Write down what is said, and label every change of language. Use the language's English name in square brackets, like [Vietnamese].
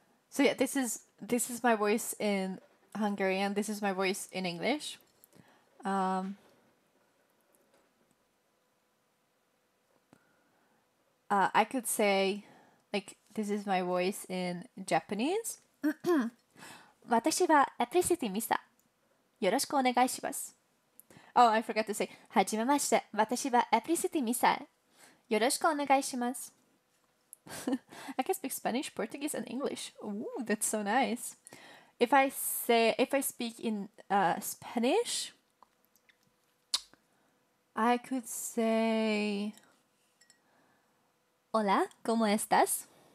[English] So yeah, this is my voice in Hungarian. This is my voice in English. I could say, like, this is my voice in Japanese. [Japanese] 私はアプリシティミサ。よろしくお願いします。 [English] Oh, I forgot to say. [Japanese] はじめまして。私はアプリシティミサ。よろしくお願いします。 [English] I can speak Spanish, Portuguese, and English. Ooh, that's so nice. If I speak in Spanish, I could say... [Spanish] Hola, ¿cómo estás?